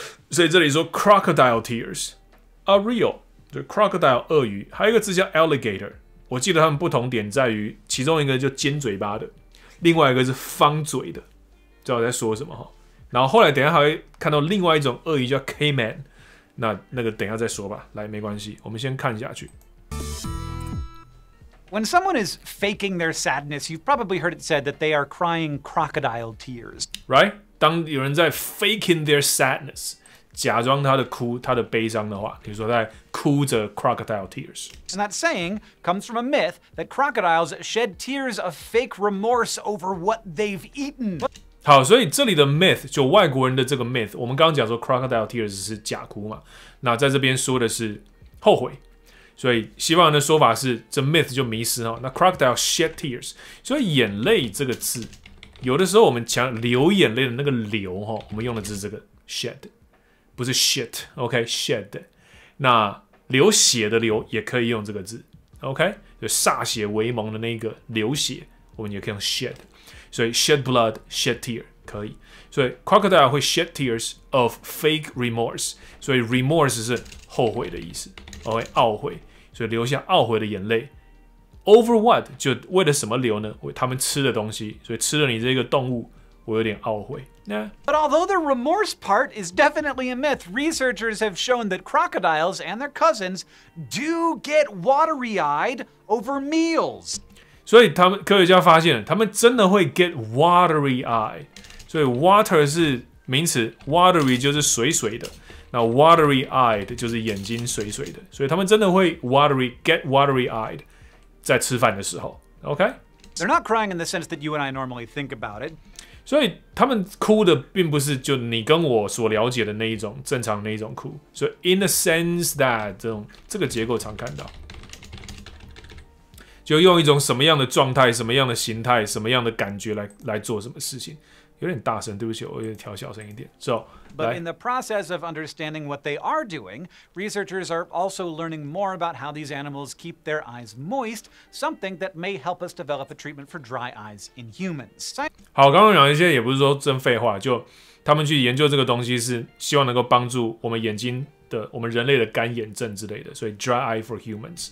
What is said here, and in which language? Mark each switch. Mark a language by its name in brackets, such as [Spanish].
[Chinese] 所以这里说 [English] crocodile tears are real， [Chinese] 就 crocodile 鳄鱼，还有一个字叫 alligator。我记得他们不同点在于，其中一个就尖嘴巴的，另外一个是方嘴的，知道我在说什么哈。然后后来等一下还会看到另外一种鳄鱼叫 Caiman， 那个等一下再说吧。来，没关系，我们先看下去。 [English] When someone is faking their sadness, you've probably heard it said that they are crying crocodile tears, right？ [Chinese] 当有人在 [English] faking their sadness。 [Chinese] 假装他的哭，他的悲伤的话，比如说在哭着 [English] crocodile tears。 And that saying comes from a myth that crocodiles shed tears of fake remorse over what they've eaten。 [Chinese] 好，所以这里的 myth 就外国人的这个 myth， 我们刚刚讲说 [English] crocodile tears [Chinese] 是假哭嘛，那在这边说的是后悔。所以西方人的说法是这 myth 就迷失哈。那 [English] crocodile shed tears， [Chinese] 所以眼泪这个字，有的时候我们讲流眼泪的那个流哈，我们用的是这个 shed。不是 shit， OK， shed， 那流血的流也可以用这个字， OK， 就歃血为盟的那个流血，我们也可以用 shed， 所以 [English] shed blood， shed tear [Chinese] 可以，所以 crocodile 会 [English] shed tears of fake remorse， [Chinese] 所以 remorse 是后悔的意思， OK， 懊悔，所以留下懊悔的眼泪。 [English] Over what [Chinese] 就为了什么流呢？为他们吃的东西，所以吃了你这个动物，我有点懊悔。 [English] Yeah. But although the remorse part is definitely a myth, researchers have shown that crocodiles and their cousins do get watery-eyed over meals. [Chinese] 所以他们科学家发现，他们真的会 [English] get watery-eyed. [Chinese] 所以 water 是名词 ，watery 就是水水的，那 watery-eyed 就是眼睛水水的。所以他们真的会 [English] watery get watery-eyed [Chinese] 在吃饭的时候。 [English] OK? They're not crying in the sense that you and I normally think about it. [Chinese] 所以他们哭的并不是就你跟我所了解的那一种正常那一种哭，所以 [English] in the sense that [Chinese] 这个结构常看到，就用一种什么样的状态、什么样的形态、什么样的感觉来做什么事情，有点大声，对不起，我有点调小声一点。 [English] So, but in the process of understanding what they are doing, researchers are also learning more about how these animals keep their eyes moist, something that may help us develop a treatment for dry eyes in humans. [Chinese] 好，刚刚讲一些也不是说真废话，就他们去研究这个东西是希望能够帮助我们眼睛的我们人类的干眼症之类的，所以 [English] dry eye for humans.